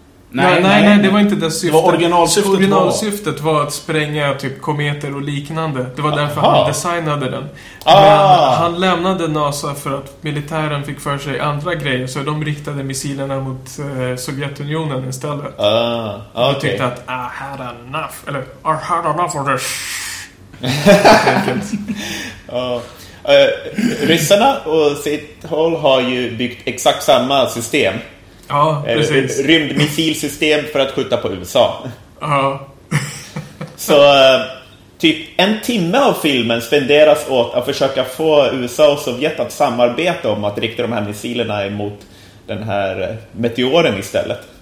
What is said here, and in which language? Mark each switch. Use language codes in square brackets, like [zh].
[sv] Nej, det var inte det syftet. Originalsyftet var att spränga typ kometer och liknande. Det var därför han designade den. Han lämnade NASA för att militären fick för sig andra grejer, så de riktade missilerna mot Sovjetunionen istället. Okay. Och tyckte att [en] I had enough of this. [sv] Ryssarna och sitt håll har ju byggt exakt samma system. Ja, precis. Rymdmissilsystem för att skjuta på USA. Ja. Så typ en timme av filmen spenderas åt att försöka få USA och Sovjet att samarbeta om att rikta de här missilerna emot den här meteoren istället.